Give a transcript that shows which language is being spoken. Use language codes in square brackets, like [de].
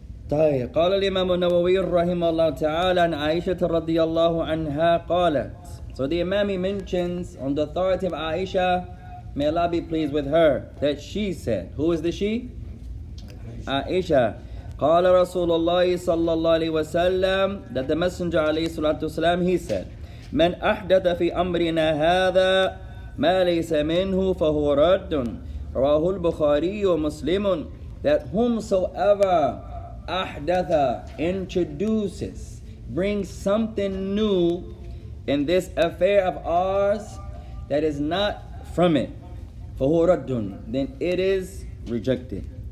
[ar] طيب قال الإمام النووي رحمه الله تعالى عن عائشة رضي الله عنها قالت. [en] So the Imam mentions on the authority of Aisha, may Allah be pleased with her, that she said. Who is the she? Aisha. [ar] قال رسول الله صلى الله عليه وسلم, [en] that the Messenger [ar] عليه الصلاة والسلام, [en] he said, [ar] من أحدث في أمرنا هذا ما ليس منه فهو رد. [en] Rahul Bukhari or Muslimun, that whomsoever ahdatha, introduces, brings something new in this affair of ours that is not from it, [ar] fahu raddun, [en] then it is rejected.